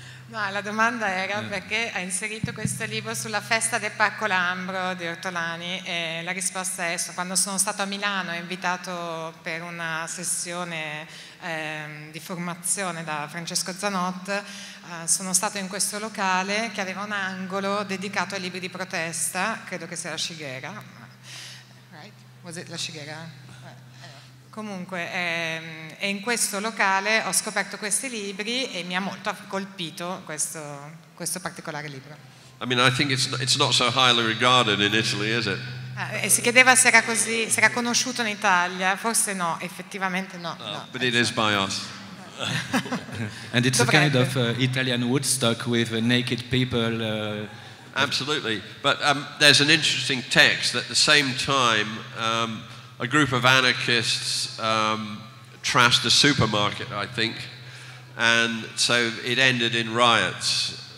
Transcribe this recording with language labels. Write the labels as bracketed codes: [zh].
[it] No, la domanda era perché ha inserito questo libro sulla festa del Parco Lambro di Ortolani, e la risposta è quando sono stato a Milano invitato per una sessione di formazione da Francesco Zanot, sono stato in questo locale che aveva un angolo dedicato ai libri di protesta, credo che sia la Shigera. [en] Right? Was it la Shigera? [it] Comunque, e in questo locale ho scoperto questi libri e mi ha molto colpito questo particolare libro. [en] I mean, I think it's not so highly regarded in Italy, is it? [it] E si chiedeva se era così, se era conosciuto in Italia. Forse no, effettivamente no. [en] No, but it is by us. And it's a kind of Italian Woodstock with naked people. Absolutely, but there's an interesting text that at the same time a group of anarchists trashed a supermarket, I think, and so it ended in riots.